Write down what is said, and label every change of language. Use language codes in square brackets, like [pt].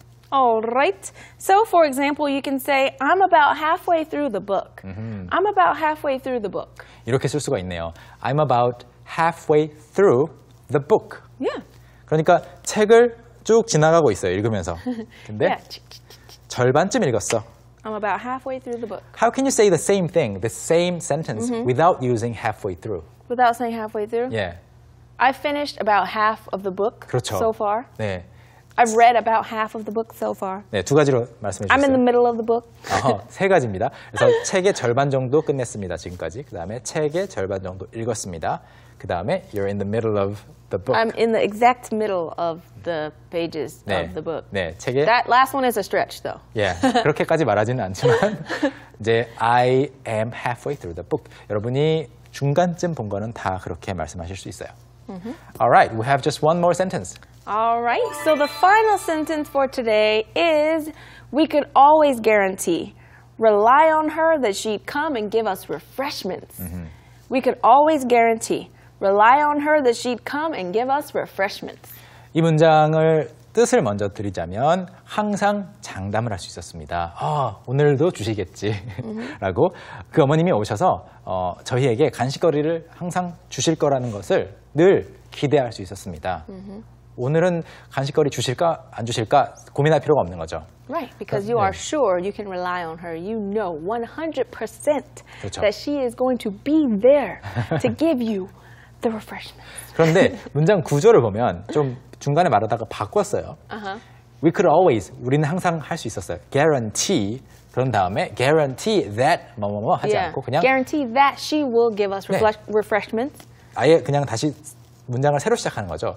[en] Alright, so for example, you can say, I'm about halfway through the book. Mm-hmm. I'm about halfway through the book. [ko] 이렇게 쓸 수가 있네요. [en] I'm about halfway through the book. Yeah. [ko] 그러니까 책을 쭉 지나가고 있어요, 읽으면서. 근데 [en] yeah. [ko] 절반쯤 읽었어. [en] I'm about halfway through the book. How can you say the same thing, the same sentence, mm-hmm. without using halfway through? Without saying halfway through? Yeah. I finished about half of the book [ko] 그렇죠. [en] so far. [ko] 네. [en] I've read about half of the book so far. [ko] 네, 두 가지로 말씀해 주셨어요. [en] I'm in the middle of the book. [ko] 세 가지입니다. 그래서 책의 절반 정도 끝냈습니다, 지금까지. 그 다음에 책의 절반 정도 읽었습니다. 그 다음에 [en] you're in the middle of the book. I'm in the exact middle of the pages [ko] 네, [en] of the book. [ko] 네, 책의... [en] That last one is a stretch, though. [ko] 예, 그렇게까지 말하지는 않지만 이제 [en] I am halfway through the book. [ko] 여러분이 중간쯤 본 거는 다 그렇게 말씀하실 수 있어요. [en] Mm-hmm. All right, we have just one more sentence. All right, so the final sentence for today is we could always guarantee, rely on her that she'd come and give us refreshments. Mm-hmm. We could always guarantee, rely on her that she'd come and give us refreshments. [ko] 이 문장을 뜻을 먼저 드리자면 항상 장담을 할 수 있었습니다. 오늘도 주시겠지 라고 그 어머님이 오셔서 저희에게 간식거리를 항상 주실 거라는 것을 늘 기대할 수 있었습니다. 오늘은 간식거리 주실까 안 주실까 고민할 필요가 없는 거죠. [en] Right, because you are sure you can rely on her. You know 100% [ko] 그렇죠. [en] that she is going to be there to give you the refreshment. [ko] 그런데 문장 구조를 보면 좀 중간에 말하다가 바꿨어요. [en] Uh-huh. We could always, [ko] 우리는 항상 할 수 있었어요. [en] Guarantee, [ko] 그런 다음에 [en] guarantee that [ko] 뭐뭐뭐 하지 [en] yeah. [ko] 않고 그냥 [en] guarantee that she will give us [ko] 네. [en] refreshments. [ko] 아예 그냥 다시 문장을 새로 시작하는 거죠.